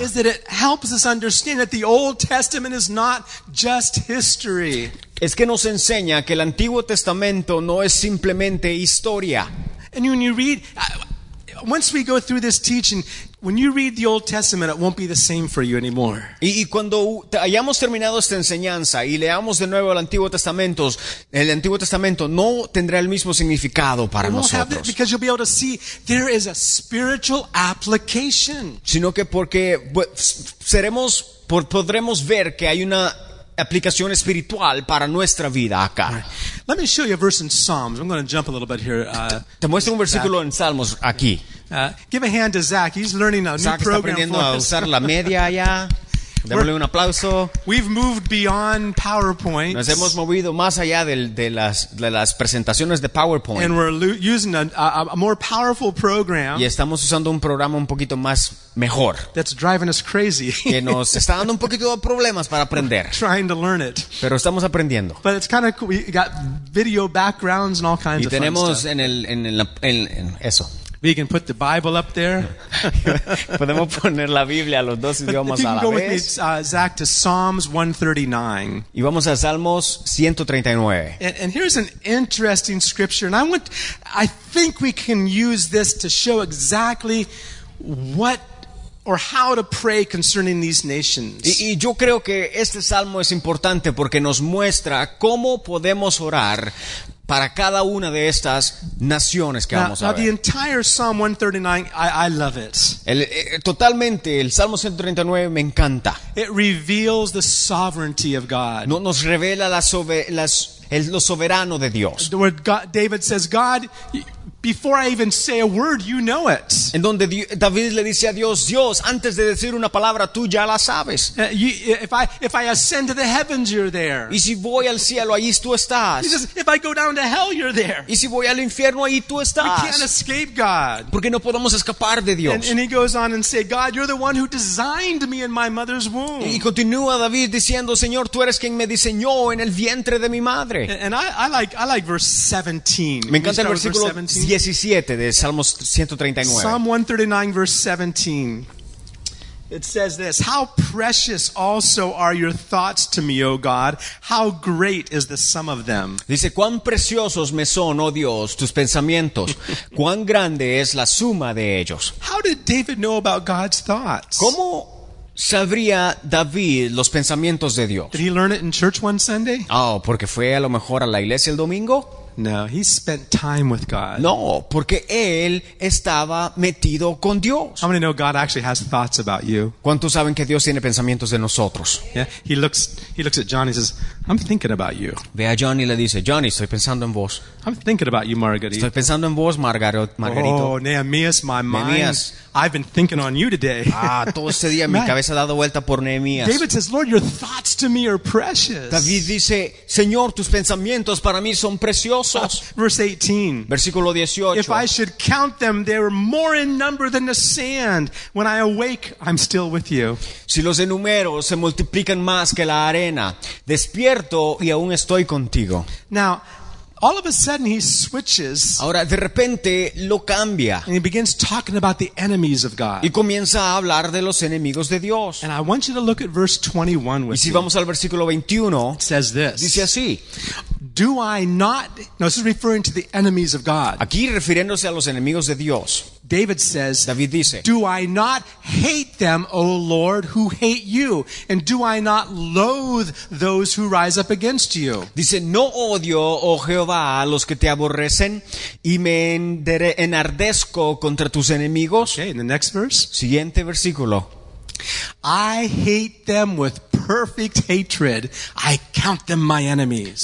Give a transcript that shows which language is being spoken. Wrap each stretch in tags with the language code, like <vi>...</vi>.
<en>is that it helps us understand that the Old Testament is not just history.</en> <es>Es que nos enseña que el Antiguo Testamento no es simplemente historia.</es> <en>And when you read, once we go through this teaching, when you read the Old Testament, it won't be the same for you anymore.</en> <es>Y cuando hayamos terminado esta enseñanza y leamos de nuevo el Antiguo Testamento no tendrá el mismo significado para nosotros.</es> <en>Won't have it because you'll be able to see there is a spiritual application.</en> <es>Sino que porque podremos ver que hay una aplicación espiritual para nuestra vida acá.</es> <en>Let me show you a verse in Psalms. I'm going to jump a little bit here.</en> <es>Te muestro un versículo en Salmos aquí.</es> <en>Give a hand to Zach. He's learning a new program.</en> <es>Zach está aprendiendo a usar la media allá. Démosle un aplauso.</es> <en>We've moved beyond PowerPoint.</en> <es>Nos hemos movido más allá de las presentaciones de PowerPoint.</es> <en>And we're using a more powerful program.</en> <es>Y estamos usando un programa un poquito más mejor.</es> <en>That's driving us crazy.</en> <es>Que nos está dando un poquito de problemas para aprender.</es> <en>Trying to learn it.</en> <es>Pero estamos aprendiendo.</es> <en>But it's kind of cool. We got video backgrounds and all kinds</en> <es>y</es> <en>of fun.</en> <es>Y tenemos en eso.</es> <en>We can put the Bible up there.</en> <es>Podemos poner la Biblia a los dos idiomas a la vez.</es> <en>You can go with me, Zach, to Psalms 139.</en> <es>Y vamos a Salmos 139.</es> <en>And here's an interesting scripture, and I think we can use this to show exactly what or how to pray concerning these nations.</en> <es>Y yo creo que este salmo es importante porque nos muestra cómo podemos orar para cada una de estas naciones que vamos a ver.</es> <en>The entire Psalm 139, I love it.</en> <es>Totalmente, el Salmo 139 me encanta.</es> <en>It reveals the sovereignty of God.</en> <es>Nos revela lo soberano de Dios.</es> <en>Where David says, God, before I even say a word, you know it.</en> <es>En donde David le dice a Dios, Dios, antes de decir una palabra, tú ya la sabes.</es> <en>If I ascend to the heavens, you're there.</en> <es>Y si voy al cielo, ahí tú estás.</es> <en>He says, if I go down to hell, you're there.</en> <es>Y si voy al infierno, ahí tú estás.</es> <en>We can't escape God.</en> <es>Porque no podemos escapar de Dios.</es> <en>And he goes on and says, God, you're the one who designed me in my mother's womb.</en> <es>Y continúa David diciendo, Señor, tú eres quien me diseñó en el vientre de mi madre.</es> <en>And I like verse 17.</en> <es>Me encanta el versículo 17. 17 de Salmos 139.</es> <en>Psalm 139 verse 17. It says this, how precious also are your thoughts to me, O God. How great is the sum of them.</en> <es>Dice, cuán preciosos me son, oh Dios, tus pensamientos. Cuán grande es la suma de ellos.</es> <en>How did David know about God's thoughts?</en> <es>¿Cómo sabría David los pensamientos de Dios?</es> <en>Did he learn it in church one Sunday?</en> <es>Porque fue a lo mejor a la iglesia el domingo.</es> <en>No, he spent time with God.</en> <es>No, porque él estaba metido con Dios.</es> <en>How many know God actually has thoughts about you?</en> <es>¿Cuántos saben que Dios tiene pensamientos de nosotros?</es> <en>Yeah, he looks at John and he says, I'm thinking about you.</en> <es>Ve a Johnny y le dice, Johnny, estoy pensando en vos.</es> <en>I'm thinking about you, Margarita.</en> <es>Estoy pensando en vos, Margarito.</es> <en>Oh, Nehemías, my mind. I've been thinking on you today.</en> <es>Ah, todo este día mi cabeza ha dado vuelta por Nehemías.</es> <en>David says, Lord, your thoughts to me are precious.</en> <es>David dice, Señor, tus pensamientos para mí son preciosos.</es> <en>Verse 18.</en> <es>Versículo 18.</es> <en>If I should count them, they are more in number than the sand. When I awake, I'm still with you.</en> <es>Si los enumero, se multiplican más que la arena. Despierto y aún estoy contigo.</es> <en>Now, all of a sudden he switches.</en> <es>Ahora de repente lo cambia.</es> <en>And he begins talking about the enemies of God.</en> <es>Y comienza a hablar de los enemigos de Dios.</es> <en>And I want you to look at verse 21 with me.</en> <es>Y si vamos al versículo 21,</es> <en>it says this.</en> <es>Dice así.</es> <en>Do I not? No, this is referring to the enemies of God.</en> <es>Aquí refiriéndose a los enemigos de Dios.</es> <en>David says,</en> <es>David dice,</es> <en>do I not hate them, O Lord, who hate you? And do I not loathe those who rise up against you?</en> <es>Dice, no odio, oh Jehová, a los que te aborrecen, y me enardezco contra tus enemigos.</es> <en>Okay, in the next verse.</en> <es>Siguiente versículo.</es> <en>I hate them with perfect hatred. I count them my enemies.</en>